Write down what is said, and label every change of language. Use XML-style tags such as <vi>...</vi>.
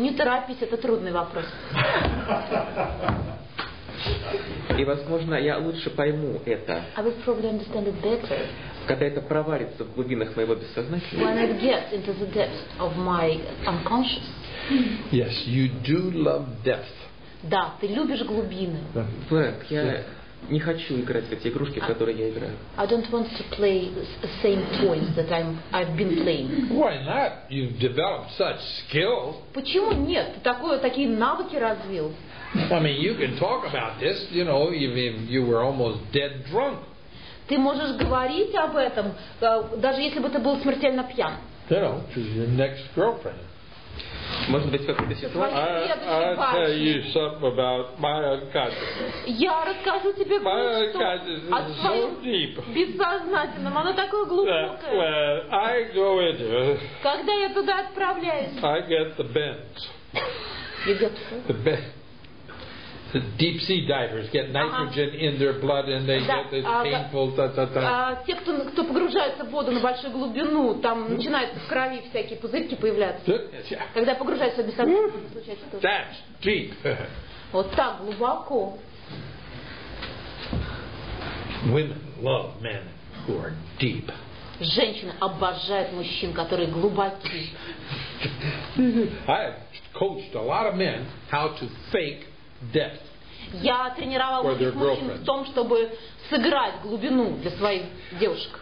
<ru>Не торопись, это трудный вопрос. И, возможно, я лучше пойму это.</ru> <en>I will probably understand it better.</en> <ru>Когда это проварится в глубинах моего бессознательного.</ru> <en>When it gets into the depths of my unconscious. Yes, you do love depth.</en> <ru>Да, ты любишь глубины. Фрэнк, я не хочу играть в эти игрушки, в которые я играю.</ru> <en>I don't want to play the same toys that I've been playing. Why not? You've developed such skills.</en> <ru>Почему нет? Ты такие навыки развил.</ru> <en>I mean, you can talk about this, you know, even if you were almost dead drunk.</en> <ru>Ты можешь говорить об этом, даже если бы ты был смертельно пьян.</ru> <en>You know, to your next girlfriend.</en> <ru>Может быть, какая-то ситуация.</ru> <en>I'll tell you something about my unconscious.</en> <ru>Я расскажу тебе кое-что.</ru> <en>My unconscious is so deep.</en> <ru>Бессознательном, оно такое глубокое.</ru> <en>Well, I go into.</en> <ru>Когда я туда отправляюсь.</ru> <en>I get the bends. You get the bends. The deep sea divers get nitrogen in their blood and they get this painful</en> <ru>те, кто погружается в воду на большую глубину, там начинаются в крови всякие пузырьки появляться. Когда погружаешься в бессознательное, случается то.</ru> <en>That's deep.</en> <ru>Вот так глубоко.</ru> <en>Women love men who are deep.</en> <ru>Женщины обожают мужчин, которые глубоки.</ru> <en>I coached a lot of men how to fake depth.</en> <ru>Я тренировал многих мужчин в том, чтобы сыграть глубину для своих девушек.</ru>